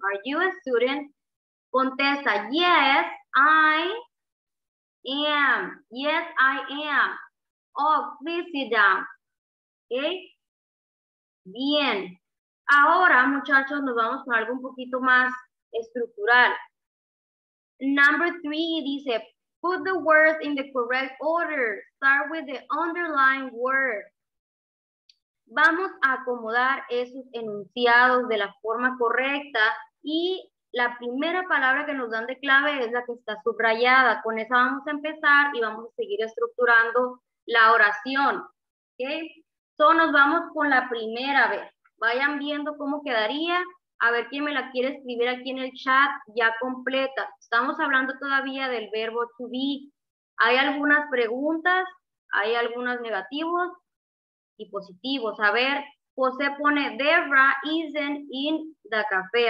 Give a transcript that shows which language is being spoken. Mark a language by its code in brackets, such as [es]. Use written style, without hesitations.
[en] Are you a student? Contesta, yes, I am. Yes, I am. Oh, please sit down. Okay. Bien. [es] Ahora, muchachos, nos vamos con algo un poquito más estructural. [en] Number three dice, put the words in the correct order. Start with the underlined word. [es] Vamos a acomodar esos enunciados de la forma correcta y la primera palabra que nos dan de clave es la que está subrayada. Con esa vamos a empezar y vamos a seguir estructurando la oración. ¿Ok? Entonces nos vamos con la primera vez. Vayan viendo cómo quedaría. A ver quién me la quiere escribir aquí en el chat ya completa. Estamos hablando todavía del verbo to be. Hay algunas preguntas, hay algunos negativos y positivos. A ver, José pone, [en] Debra isn't in the café.